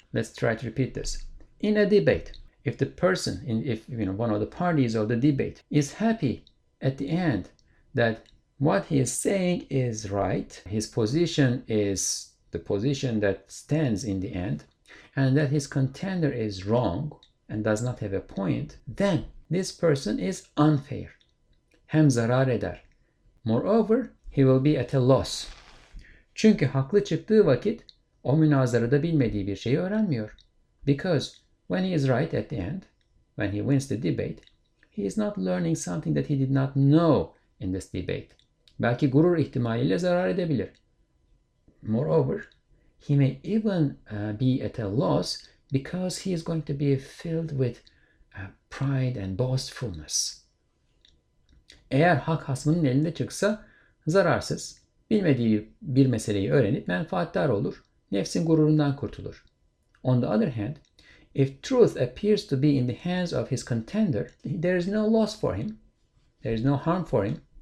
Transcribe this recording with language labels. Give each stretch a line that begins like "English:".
English: Let's try to repeat this. In a debate, if the person, if you know, one of the parties of the debate is happy at the end that what he is saying is right, his position is the position that stands in the end, and that his contender is wrong and does not have a point, then this person is unfair.
Turkish: Hem zarar eder.
English: Moreover, he will be at a loss.
Turkish: Çünkü haklı çıktığı vakit o münazarada bilmediği bir şeyi öğrenmiyor.
English: Because when he is right at the end, when he wins the debate, he is not learning something that he did not know in this debate.
Turkish: Belki gurur ihtimaliyle zarar edebilir.
English: Moreover, he may even be at a loss because he is going to be filled with pride and boastfulness.
Turkish: Eğer hak hasmının elinde çıksa zararsız, bilmediği bir meseleyi öğrenip menfaattar olur, nefsin gururundan kurtulur.
English: On the other hand, if truth appears to be in the hands of his contender, there is no loss for him, there is no harm for him.